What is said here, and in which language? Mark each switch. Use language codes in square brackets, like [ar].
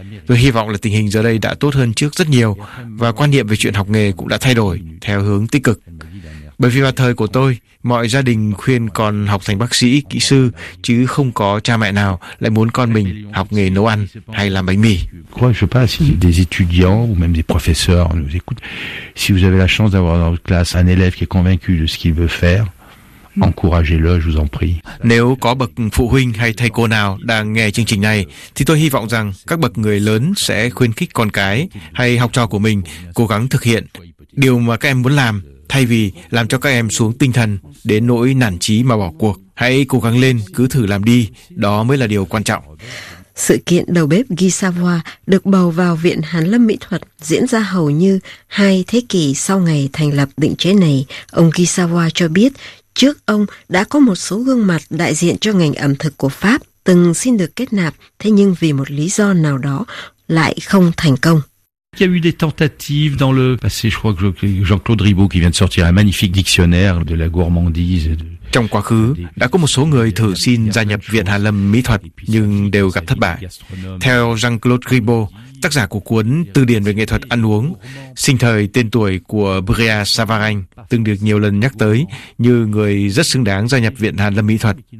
[vi] Tôi hy vọng là tình hình giờ đây đã tốt hơn trước rất nhiều và quan niệm về chuyện học nghề cũng đã thay đổi theo hướng tích cực. Bởi vì vào thời của tôi, mọi gia đình khuyên con học thành bác sĩ, kỹ sư chứ không có cha mẹ nào lại muốn con mình học nghề nấu ăn hay làm bánh mì. [fr] Je pas si des étudiants ou même des professeurs nous écoutent. Si vous avez la chance d'avoir dans votre classe un élève qui est convaincu de ce qu'il veut faire. Encouragez-le, je vous en prie. [vi] Nếu có bậc phụ huynh hay thầy cô nào đang nghe chương trình này, thì tôi hy vọng rằng các bậc người lớn sẽ khuyến khích con cái hay học trò của mình cố gắng thực hiện điều mà các em muốn làm, thay vì làm cho các em xuống tinh thần đến nỗi nản chí mà bỏ cuộc. Hãy cố gắng lên, cứ thử làm đi, đó mới là điều quan trọng. Sự kiện đầu bếp Guy Savoy được bầu vào Viện Hàn Lâm Mỹ thuật diễn ra hầu như hai thế kỷ sau ngày thành lập định chế này. Ông Guy Savoy cho biết, trước ông đã có một số gương mặt đại diện cho ngành ẩm thực của Pháp từng xin được kết nạp, thế nhưng vì một lý do nào đó lại không thành công. [fr] Il y a eu des tentatives dans le passé, je crois que Jean-Claude Ribaud qui vient de sortir un magnifique dictionnaire de la gourmandise. [vi] Trong quá khứ, đã có một số người thử xin gia nhập Viện Hàn Lâm Mỹ Thuật nhưng đều gặp thất bại. Theo Jean-Claude Ribaud, tác giả của cuốn Từ điển về nghệ thuật ăn uống, sinh thời tên tuổi của Brea Savarin từng được nhiều lần nhắc tới như người rất xứng đáng gia nhập Viện Hàn Lâm Mỹ Thuật.